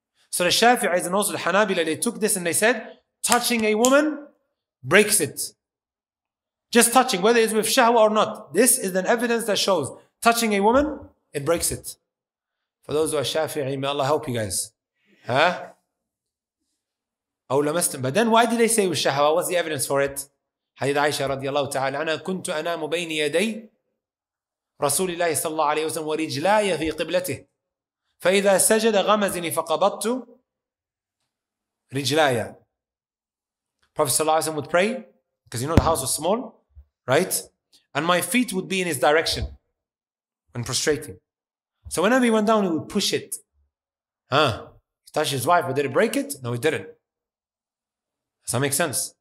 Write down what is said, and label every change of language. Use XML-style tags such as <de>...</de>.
<en>So the Shafi'is and also the Hanabila, they took this and they said, touching a woman breaks it. Just touching, whether it's with shahwa or not, this is an evidence that shows touching a woman, it breaks it. For those who are Shafi'i, may Allah help you guys. Huh? But then why did they say with shahwa? What's the evidence for it? Hadith Aisha radiallahu ta'ala,</en> <ar>أنا كنت أنام بين يدي رسول الله صلى الله عليه وسلم ورجلاي في قبلته. فإذا سجد غمزني فقبضت رجلايا.</ar> <en>Prophet</en> <ar>صلى الله عليه وسلم</ar> <en>would pray, because you know the house was small, right? And my feet would be in his direction when prostrating. So whenever he went down, he would push it. He touched his wife, but did it break it? No, it didn't. Does that make sense?</en>